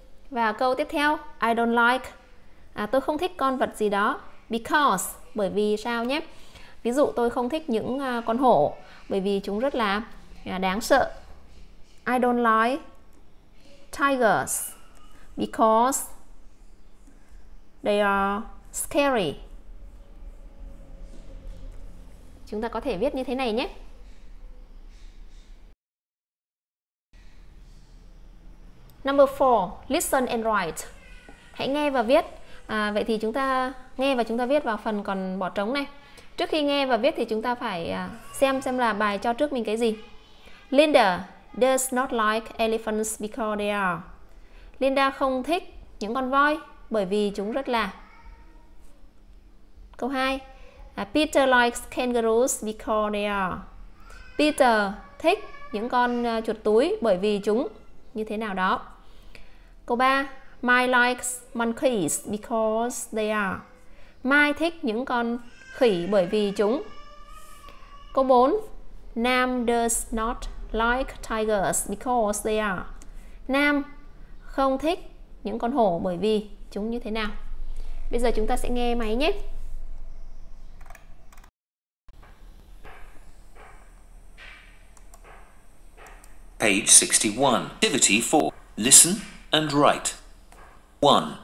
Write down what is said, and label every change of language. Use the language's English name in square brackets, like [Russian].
[Vietnamese] Và câu tiếp theo, [English] I don't like, [Vietnamese] tôi không thích con vật gì đó. Because, bởi vì sao nhé. Ví dụ tôi không thích những con hổ bởi vì chúng rất là đáng sợ. [English] I don't like tigers because they are scary. [Vietnamese] Chúng ta có thể viết như thế này nhé. [English] Number 4, listen and write. [Vietnamese] Hãy nghe và viết. Vậy thì chúng ta nghe và chúng ta viết vào phần còn bỏ trống này. Trước khi nghe và viết thì chúng ta phải xem là bài cho trước mình cái gì. [English] Linda does not like elephants because they are. [Vietnamese] Linda không thích những con voi bởi vì chúng rất là. [English] Câu 2. Peter likes kangaroos because they are. [Vietnamese] Peter thích những con chuột túi bởi vì chúng như thế nào đó. [English] Câu 3. Mai likes monkeys because they are. [Vietnamese] Mai thích những con khỉ bởi vì chúng. Câu 4. [English] Nam does not like tigers because they are. [Vietnamese] Nam không thích những con hổ bởi vì chúng như thế nào. Bây giờ chúng ta sẽ nghe máy nhé. [English] Page 61, activity 4. Listen and write. 1.